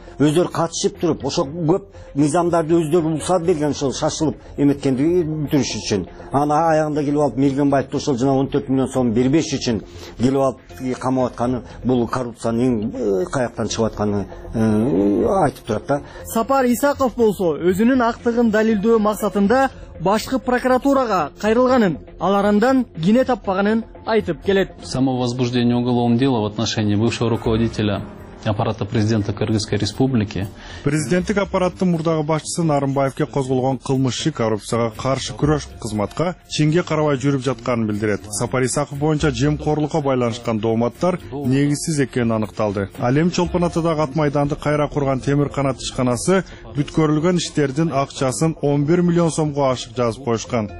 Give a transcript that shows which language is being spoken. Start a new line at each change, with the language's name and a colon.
Kyrgyz: өздөрү катышып туруп ошол көп мыйзамдарды өздөрү уруксат берген ошол шашылып эметкенди бүтүрүш үчүн анан аягында келип алып Мергенбаевди ошол жана 14 миллион сом бербеш үчүн келип алып камап атканы бул коррупциянын эң каяктан чыгып атканы айтып турат да. Сапар Исаков болсо өзүнүн актыгын далилдөө максатында башкы прокуратурага кайрылганын, алар андан кине таппаганын айтып келет.
Russian: Само возбуждение уголовного дела в отношении бывшего руководителя аппарата президента Кыргызской Республики.
Kyrgyz: Президенттик аппараттын мурдагы башчысы Нарымбаевке козголгон кылмыш иши коррупцияга каршы күрөш кызматка чеңге карабай жүрүп жатканын билдирет. Сапар Исаков боюнча жемкорлукка байланышкан дооматтар негизсиз экени аныкталды. Ал эми Чолпон Атадагы ат майданды кайра курган Темир Канат ишканасы бүткөрүлгөн иштердин акчасын 11 миллион сомго ашык жазып коюшкан.